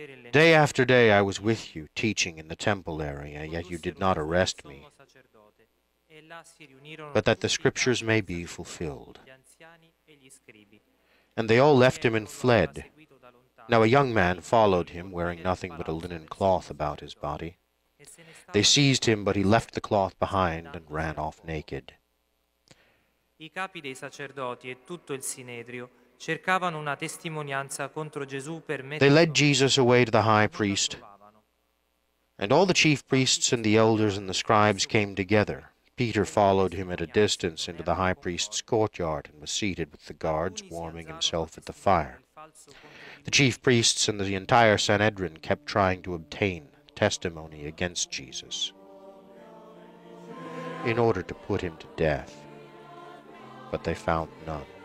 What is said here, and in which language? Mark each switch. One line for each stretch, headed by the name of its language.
English: Day after day I was with you, teaching in the temple area, yet you did not arrest me, but that the scriptures may be fulfilled. And they all left him and fled. Now a young man followed him, wearing nothing but a linen cloth about his body. They seized him, but he left the cloth behind and ran off naked.
Italian: I capi dei sacerdoti e tutto il sinedrio cercavano una testimonianza contro Gesù per mettere.
English: They led Jesus away to the high priest, and all the chief priests and the elders and the scribes came together. Peter followed him at a distance into the high priest's courtyard and was seated with the guards, warming himself at the fire. The chief priests and the entire Sanhedrin kept trying to obtain testimony against Jesus in order to put him to death, but they found none.